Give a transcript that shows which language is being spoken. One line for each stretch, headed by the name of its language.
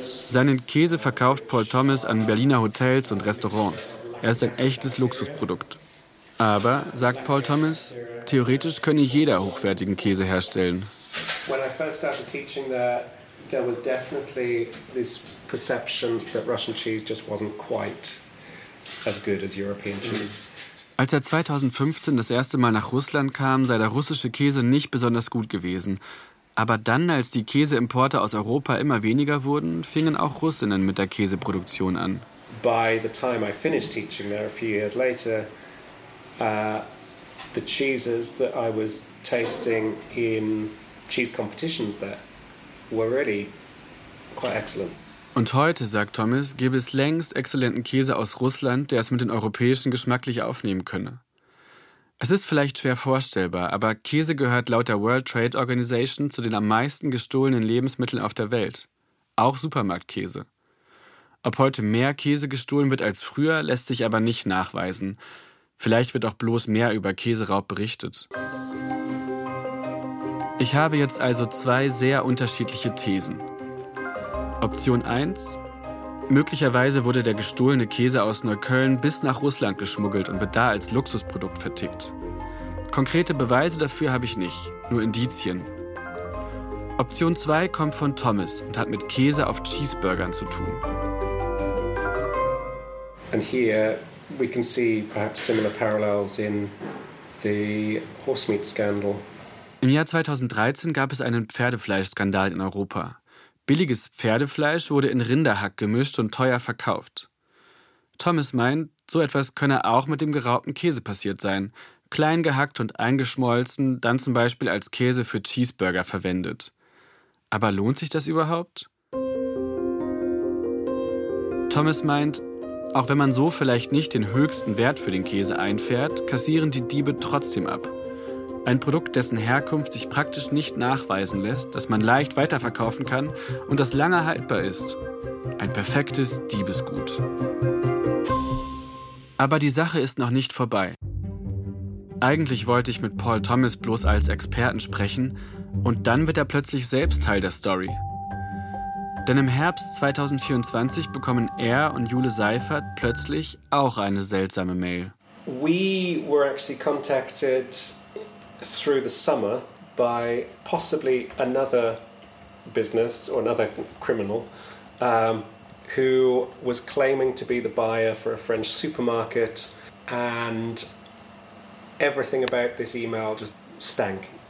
German: Seinen Käse verkauft Paul Thomas an Berliner Hotels und Restaurants. Er ist ein echtes Luxusprodukt. Aber, sagt Paul Thomas, theoretisch könne jeder hochwertigen Käse herstellen.
English: When I first started teaching there, there was definitely this perception that Russian cheese just wasn't quite as good as European cheese.
German: Als er 2015 das erste Mal nach Russland kam, sei der russische Käse nicht besonders gut gewesen. Aber dann, als die Käseimporte aus Europa immer weniger wurden, fingen auch Russinnen mit der Käseproduktion an.
English: By the time I finished teaching there a few years later, the cheeses that I was tasting in cheese competitions there were really quite excellent.
German: Und heute, sagt Thomas, gäbe es längst exzellenten Käse aus Russland, der es mit den europäischen geschmacklich aufnehmen könne. Es ist vielleicht schwer vorstellbar, aber Käse gehört laut der World Trade Organization zu den am meisten gestohlenen Lebensmitteln auf der Welt. Auch Supermarktkäse. Ob heute mehr Käse gestohlen wird als früher, lässt sich aber nicht nachweisen. Vielleicht wird auch bloß mehr über Käseraub berichtet. Ich habe jetzt also 2 sehr unterschiedliche Thesen. Option 1. Möglicherweise wurde der gestohlene Käse aus Neukölln bis nach Russland geschmuggelt und wird da als Luxusprodukt vertickt. Konkrete Beweise dafür habe ich nicht, nur Indizien. Option 2 kommt von Thomas und hat mit Käse auf Cheeseburgern zu tun.
English: And here we can see perhaps similar parallels in the horse meat scandal.
German: Im Jahr 2013 gab es einen Pferdefleischskandal in Europa. Billiges Pferdefleisch wurde in Rinderhack gemischt und teuer verkauft. Thomas meint, so etwas könne auch mit dem geraubten Käse passiert sein. Klein gehackt und eingeschmolzen, dann zum Beispiel als Käse für Cheeseburger verwendet. Aber lohnt sich das überhaupt? Thomas meint, Auch wenn man so vielleicht nicht den höchsten Wert für den Käse einfährt, kassieren die Diebe trotzdem ab. Ein Produkt, dessen Herkunft sich praktisch nicht nachweisen lässt, das man leicht weiterverkaufen kann und das lange haltbar ist. Ein perfektes Diebesgut. Aber die Sache ist noch nicht vorbei. Eigentlich wollte ich mit Paul Thomas bloß als Experten sprechen und dann wird er plötzlich selbst Teil der Story. Denn im Herbst 2024 bekommen er und Jule Seifert plötzlich auch eine seltsame Mail.
English: We were actually contacted through the summer by possibly another business or another criminal who was claiming to be the buyer for a French supermarket, and everything about this email just stank.